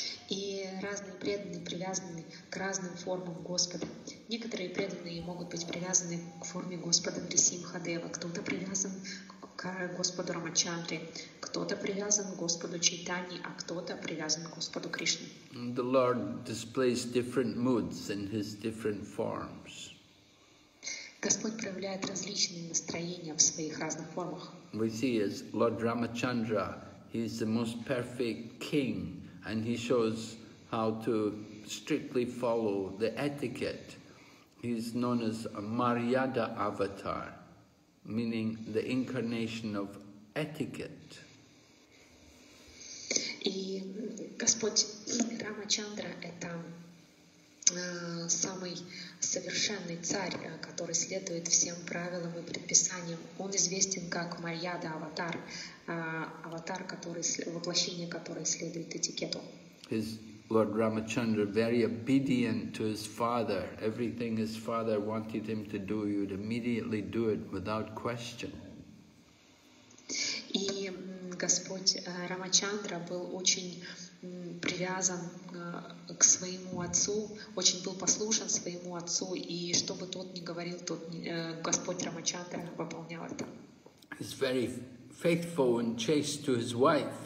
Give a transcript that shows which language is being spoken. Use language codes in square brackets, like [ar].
[ru] И разные преданные привязаны к разным формам Господа. Некоторые преданные могут быть привязаны к форме Господа Нрисимхадева, кто-то привязан к Господу Рамачандре, кто-то привязан к Господу Чайтани, а кто-то привязан к Господу Кришне. [en] The Lord displays different moods in his different forms. [ru] Господь проявляет различные настроения в своих разных формах. [en] We see as Lord Ramachandra, he is the most perfect king, and he shows how to strictly follow the etiquette. He is known as a Maryada avatar, meaning the incarnation of etiquette. [ru] И Господь Рамачандра – это самый совершенный царь, который следует всем правилам и предписаниям. Он известен как Марьяда Аватар, аватар, который, воплощение которой следует этикету. [en] His Lord Ramachandra very obedient to his father. Everything his father wanted him to do, he would immediately do it without question. [ru] И Господь Рамачандра был очень привязан к своему отцу, очень был послушен своему отцу, и что бы тот ни говорил, тот Господь Рамачандра выполнял это. [en] He's very faithful and chaste to his wife.